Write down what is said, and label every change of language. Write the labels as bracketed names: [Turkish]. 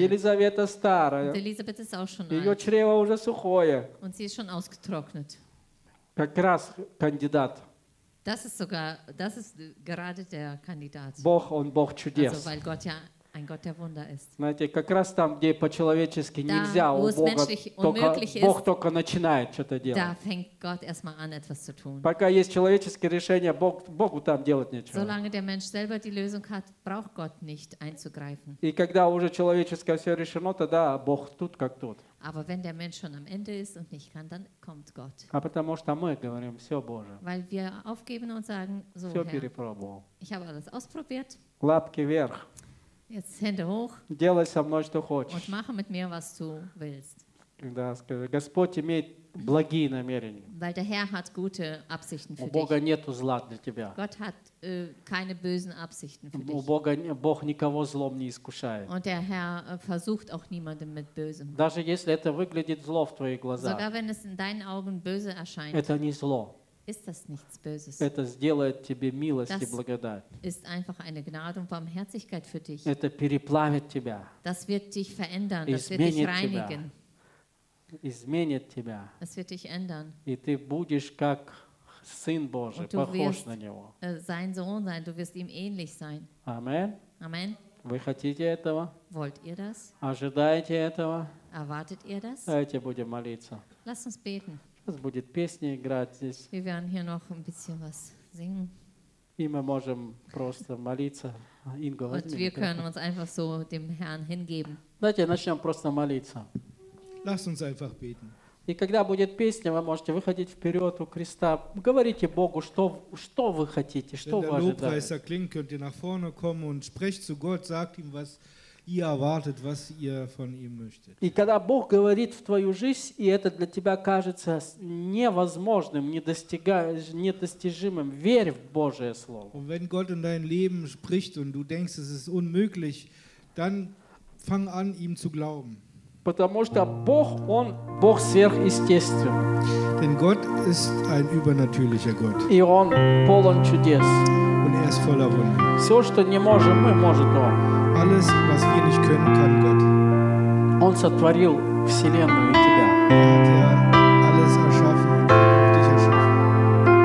[Russian] Елизавета старая. [German] Und Elisabeth ist auch schon [Russian] Ее [German] alt. [Russian] Ее чрево уже сухое. [German] Und sie ist schon ausgetrocknet. [Russian] Как раз кандидат. [German] Das ist sogar, das ist gerade der Kandidat. [Russian] Бог, он Бог чудес. [German] Also, weil Gott ja ein Gott der Wunder ist. [Russian] Знаете, как раз там, где по-человечески [German] da, [Russian] нельзя, у Бога только, [German] ist, [Russian] Бог только начинает что-то делать. [German] Da fängt Gott erstmal an, etwas zu tun. [Russian] Пока есть человеческое решение, Богу там делать нечего. [German] Solange der Mensch selber die Lösung hat, braucht Gott nicht einzugreifen. [Russian] И когда уже человеческое все решено, тогда Бог тут как тут. [German] Aber wenn der Mensch schon am Ende ist und nicht kann, dann kommt Gott. [Russian] А потому что мы говорим, все, Боже. [German] Weil wir aufgeben und sagen, so, [Russian] все [German] Herr, [Russian] перепробовал. [German] Ich habe alles ausprobiert. [Russian] Лапки вверх. [German] Jetzt Hände hoch. [Russian] Делай со мной, что хочешь. [German] Und mache mit mir, was du willst. [Russian] Да, скажи, Господь имеет благие намерения. [German] Weil der Herr hat gute Absichten für dich. [Russian] У Бога нету зла для тебя. [German] Gott hat keine bösen Absichten für dich. [Russian] У Бога, Бог никого злом не искушает. [German] Und der Herr versucht auch niemanden mit Bösem. [Russian] Даже если это выглядит зло в твоих глазах. [German] Sogar wenn es in deinen Augen böse erscheint. [Russian] Это не зло. [German] Ist das nichts Böses? [Russian] Это сделает тебе милость и благодать. [German] Das ist einfach eine Gnade und Barmherzigkeit für dich. [Russian] Это переплавит тебя. [German] Das wird dich verändern. Das wird dich reinigen. [Russian] Изменит тебя. [German] Es wird dich ändern. [Russian] И ты будешь как сын Божий, [German] und du [Russian] похож [German] wirst, [Russian] на него. [German] Sein Sohn sein. Du wirst ihm ähnlich sein. Amen. Amen. [Russian] Вы хотите этого? [German] Wollt ihr das? [Russian] Ожидаете этого? [German] Erwartet ihr das? [Russian] Давайте будем молиться. [German] Lass uns beten. [Russian] Сейчас будет песня играть здесь. [German] Wir werden hier noch ein bisschen was singen. [Russian] И мы можем просто молиться. Инго, [German] und wir können uns einfach so dem Herrn hingeben. [Russian] Давайте начнем просто молиться. [German] Lass uns einfach beten. [Russian] И когда будет песня, вы можете выходить вперед у креста. Говорите Богу, что вы хотите, что вы ожидаете. [German] Wenn der Lobpreiser klingt, könnt ihr nach vorne kommen und sprecht zu Gott, sagt ihm, was ihr erwartet, was ihr von ihm möchtet. [Russian] И когда Бог говорит в твою жизнь, и это для тебя кажется невозможным, недостижимым, верь в Божие Слово. [German] Und wenn Gott in dein Leben spricht und du denkst, es ist unmöglich, dann fang an, ihm zu glauben. [Russian] Потому что Бог, Он Бог сверхъестественный. [German] Denn Gott ist ein übernatürlicher Gott. [Russian] И Он полон чудес. [German] Und er ist voller Wunder. [Russian] Все, что не можем мы, может Он. [German] Alles, was wir nicht können, kann Gott. [Russian] Он сотворил вселенную и тебя. [German] Alles erschaffen, dich erschaffen.